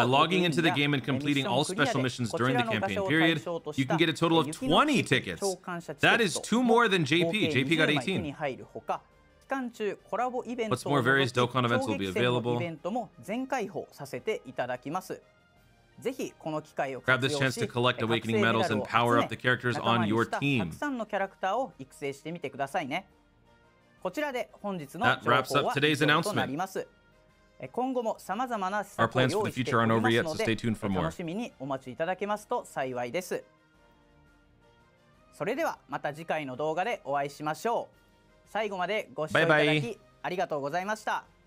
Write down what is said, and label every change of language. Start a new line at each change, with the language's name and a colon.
Japanese: ログインやミッションクリアでこちらのガシャを対象とした雪の期間チケットを超感謝チケットと合計20枚手に入るほか、期間中コラボイベントの超激戦のイベントも全開放させていただきます。ぜひこの機会を活用し、
English: Grab this chance to collect awakening medals and power up the characters on your team.
Japanese: たくさんのキャラクターを育成してみてくださいね。こちらで本日の
English: That wraps up today's announcement.
Japanese: 今後もさまざまな
English: Our plans for the future aren't over yet, so stay tuned for more.
Japanese: 楽しみにお待ちいただけますと幸いです。それではまた次回の動画でお会いしましょう。最後までご視聴いただきありがとうございました。